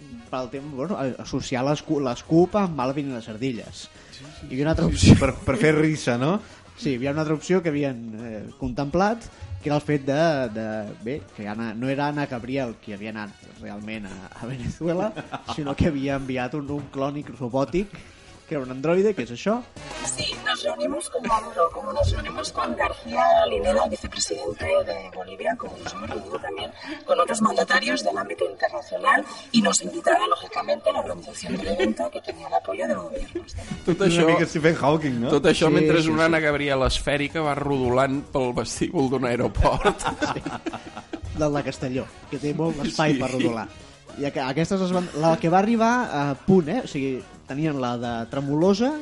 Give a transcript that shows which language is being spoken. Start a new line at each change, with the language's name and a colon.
Catalan: pel tema, bueno, associar l'escup amb Alvin i les ardilles. Hi havia una altra opció. Per fer risa, no? Sí, hi havia una altra opció que havien contemplat, que era el fet de bé, que Anna, no era Anna Gabriel qui havia anat realment a Venezuela, sinó que havia enviat un clònic robòtic, que era un androide, que és això.
Spanish: Sí, nos reunimos con Maduro, como nos reunimos con García Linera, vicepresidente de Bolivia, como nos hemos reunido también con otros mandatarios del ámbito internacional, y nos invitaba, lógicamente, a la organización del evento que tenía el apoyo del gobierno.
Catalan: Tot això, una mica Stephen Hawking, no? Tot això sí, mentre sí, una Anna Gabriel esfèrica va rodolant pel vestíbul d'un aeroport. Sí. Del de Castelló, que té molt espai sí. per rodolar. I aquestes es van... La que va arribar a punt, o sigui... Tenien la de Tremolosa